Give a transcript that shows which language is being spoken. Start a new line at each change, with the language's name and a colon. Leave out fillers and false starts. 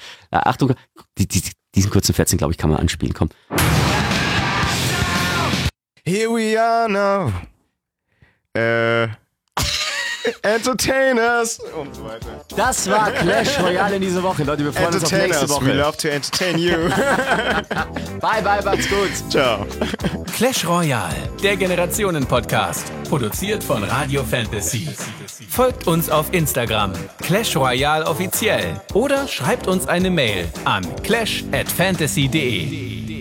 German: Ja, Achtung, diesen kurzen Fetzen, glaube ich, kann man anspielen, komm.
English: Here we are now.
German: Entertainers und so weiter. Das war Clash Royale in dieser Woche, Leute. Wir freuen uns auf nächste Woche.
English: Entertainers, we love to entertain you.
German: Bye, bye, macht's gut. Ciao. Clash Royale, der Generationen-Podcast. Produziert von Radio Fantasy. Folgt uns auf Instagram, Clash Royale offiziell. Oder schreibt uns eine Mail an clash@fantasy.de.